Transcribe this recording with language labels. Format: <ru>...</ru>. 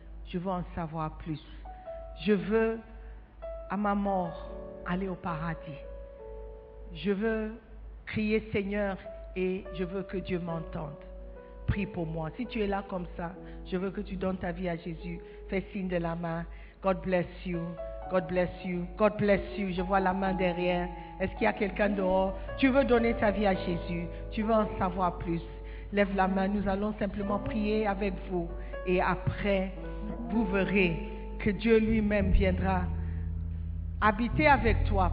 <fr>Je veux en savoir plus. Je veux, à ma mort, aller au paradis. Je veux crier Seigneur et je veux que Dieu m'entende. Prie pour moi. Si tu es là comme ça, je veux que tu donnes ta vie à Jésus. Fais signe de la main.</fr> <en>God bless you, God bless you, God bless you.</en> <fr>Je vois la main derrière. Est-ce qu'il y a quelqu'un dehors? Tu veux donner ta vie à Jésus? Tu veux en savoir plus? lève la main. Nous allons simplement prier avec vous. Et après, vous verrez que Dieu lui-même viendra habiter avec toi.</fr>